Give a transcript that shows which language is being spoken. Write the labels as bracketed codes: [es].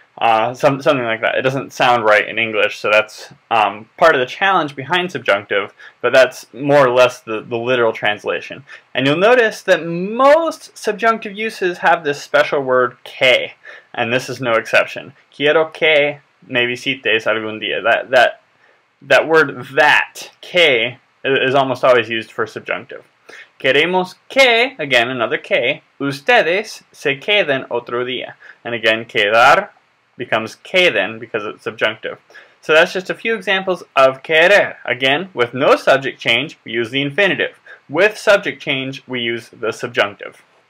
[en] Something like that. It doesn't sound right in English, so that's part of the challenge behind subjunctive, but that's more or less the literal translation. And you'll notice that most subjunctive uses have this special word que, and this is no exception. [es] Quiero que me visites algún día. [en] That word that, que, is almost always used for subjunctive. [es] Queremos que, [en] again, another [es] que, ustedes se queden otro día. [en] And again, quedar becomes que then, because it's subjunctive. So that's just a few examples of querer. Again, with no subject change, we use the infinitive. With subject change, we use the subjunctive.